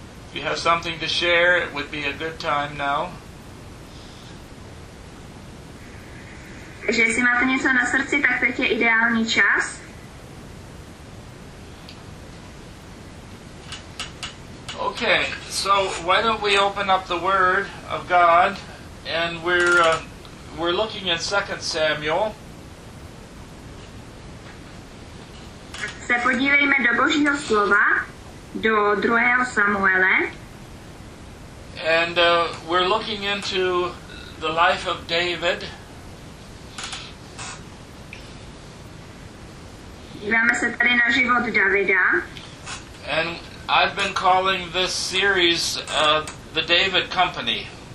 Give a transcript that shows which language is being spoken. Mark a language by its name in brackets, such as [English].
[English] If you have something to share, it would be a good time now. [Czech] Takže jestli máte něco na srdci, tak teď je ideální čas. [English] Okay, so why don't we open up the Word of God, and we're looking at 2 Samuel. [Czech] Se podívejme do Božího slova, do 2. Samuele. [English] And we're looking into the life of David. [Czech] Díváme se tady na život Davida. [English] And I've been calling this series the David Company.